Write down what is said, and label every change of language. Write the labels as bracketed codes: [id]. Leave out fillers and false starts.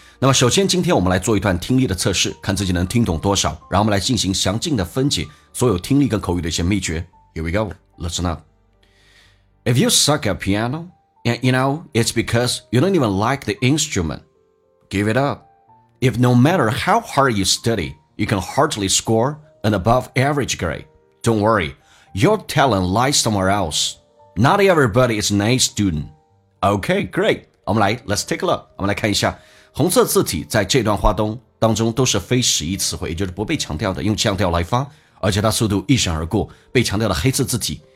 [zh] 那么首先今天我们来做一段听力的测试，看自己能听懂多少，然后我们来进行详尽的分解所有听力跟口语的一些秘诀。 [en] Here we go, listen up. If you suck at piano, and you know, it's because you don't even like the instrument, give it up. If no matter how hard you study, you can hardly score an above average grade, don't worryYour talent lies somewhere else. Not everybody is an A student. Okay, great. [zh] 我们来 [en] let's take a look. [zh] 我们来看一下红色字体在这段话当中都是非实义词汇，也就是不被强调的，用强调来发，而且它速度一闪而过，被强调的黑色字体。